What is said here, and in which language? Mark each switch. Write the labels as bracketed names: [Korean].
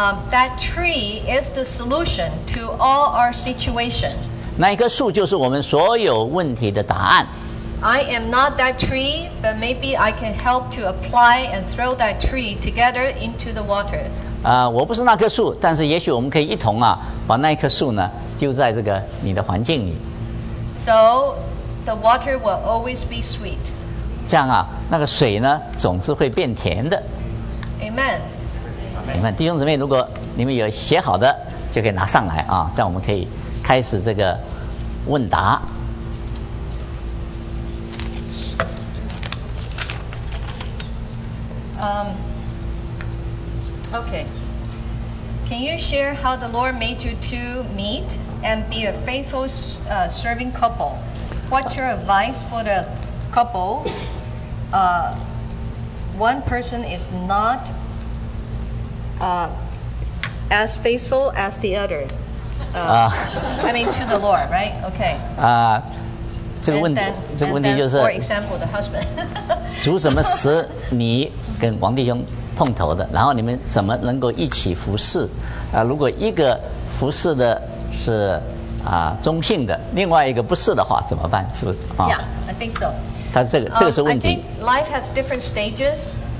[English] That tree is the solution to all our situation. [Chinese] 那一棵树就是我们所有问题的答案。 [English] I am not that tree, but maybe I can help to apply and throw that tree together into the water. [Chinese] 我不是那棵树，但是也许我们可以一同啊，把那一棵树呢，丢在这个你的环境里。 [English] So the water will always be sweet. [Chinese] 这样啊，那个水呢，总是会变甜的。 [English] Amen. [Chinese] 你们弟兄姊妹，如果你们有写好的，就可以拿上来啊，这样我们可以开始这个问答。 [English] Jesus. Okay. Can you share how the Lord made you two meet and be a faithful serving couple? What's your advice for the couple? One person is not as faithful as the other. I mean, to the Lord, right? Okay. [Chinese] 这个问题就是 [English] for example, the husband. [Chinese] 主怎么使你跟王弟兄碰头的？然后你们怎么能够一起服侍？如果一个服侍的是 中性的， 另外一个不是的话， 怎么办？是不是？ [English] Yeah, I think so. [Chinese] 但是这个是问题。 [English] I think life has different stages.